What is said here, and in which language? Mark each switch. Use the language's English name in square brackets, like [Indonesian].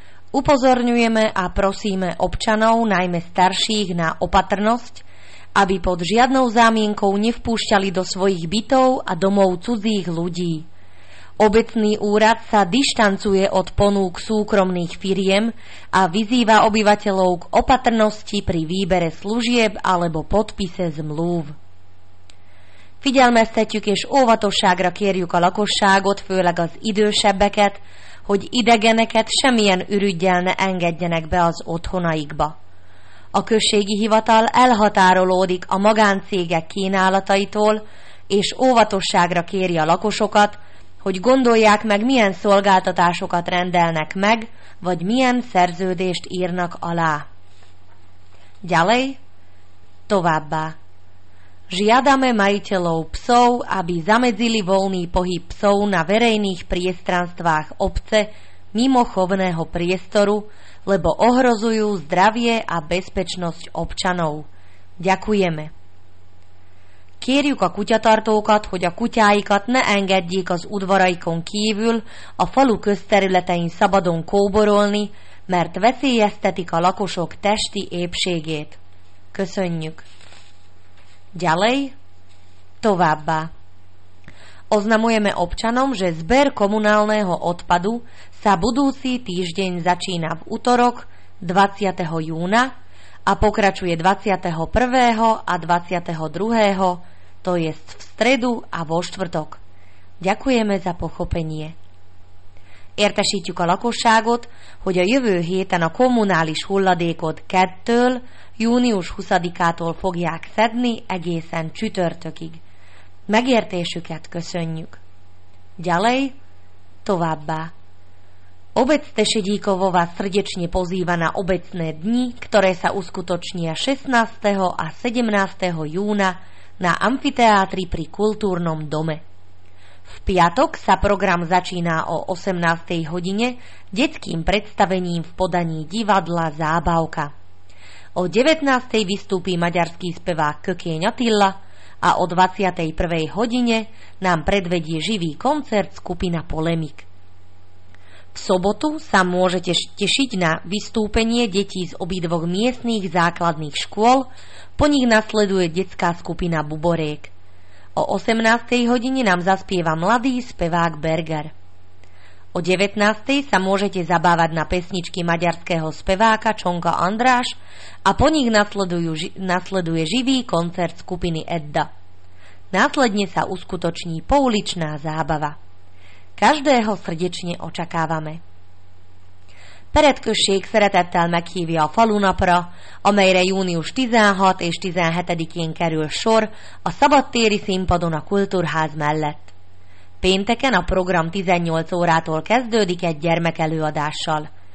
[Slovak] Upozorňujeme a prosíme občanov, najmä starších, na opatrnosť, aby pod žiadnou zámienkou nevpúšťali do svojich bytov a domov cudzích ľudí. Obecný úrad sa dištancuje od ponúk súkromných firiem a vyzýva obyvateľov k opatrnosti pri výbere služieb alebo podpise zmluv. [Hungarian] Figyelmeztetjük és óvatosságra kérjük a lakosságot, főleg az idősebbeket, hogy idegeneket semmilyen ürüggyel ne engedjenek be az otthonaikba. A községi hivatal elhatárolódik a magáncégek kínálataitól, és óvatosságra kéri a lakosokat, hogy gondolják meg, milyen szolgáltatásokat rendelnek meg, vagy milyen szerződést írnak alá. [Slovak] Ďalej, [Hungarian] továbbá. [Slovak] Žiadame majiteľov psov, aby zamedzili voľný pohyb psov na verejných priestranstvách obce mimo chovného priestoru, lebo ohrozujú zdravie a bezpečnosť občanov. Ďakujeme. [Hungarian] Kérjük a kutyatartókat, hogy a kutyáikat ne engedjék az udvaraikon kívül a falu közterületein szabadon kóborolni, mert veszélyeztetik a lakosok testi épségét. Köszönjük! [Slovak] Ďalej, [Hungarian] továbbá. [Slovak] Oznamujeme občanom, že zber komunálneho odpadu sa budúci týždeň začína v utorok 20. júna a pokračuje 21. a 22. to jest v stredu a vo štvrtok. Ďakujeme za pochopenie. [Hungarian] Értesítjük a lakosságot, hogy a jövő héten a kommunális hulladékot 2-től június 20-ától fogják szedni egészen csütörtökig. Megértésüket köszönjük. [Slovak] Ďalej, [Hungarian] továbbá. [Slovak] Obec Tešedíkovová srdečne pozýva na obecné dni, ktoré sa uskutočnia 16. a 17. júna na amfiteátri pri kultúrnom dome. V piatok sa program začína o 18. hodine detským predstavením v podaní divadla Zábavka. O 19. vystúpi maďarský spevák Kökény Attila a o 21. hodine nám predvedie živý koncert skupina Polemik. V sobotu sa môžete tešiť na vystúpenie detí z obidvoch miestnych základných škôl, po nich nasleduje detská skupina Buboriek. O 18. hodine nám zaspieva mladý spevák Berger. O 19. sa môžete zabávať na pesničky maďarského speváka Čonka Andráš a po nich nasleduje živý koncert skupiny Edda. Následne sa uskutoční pouličná zábava. Každého srdečne očakávame. [Hungarian] Peredkösség szeretettel meghívja a falunapra, amelyre június 16 és 17-én kerül sor a szabadtéri színpadon a kultúrház mellett. Pénteken a program 18 órától kezdődik egy gyermekelőadással.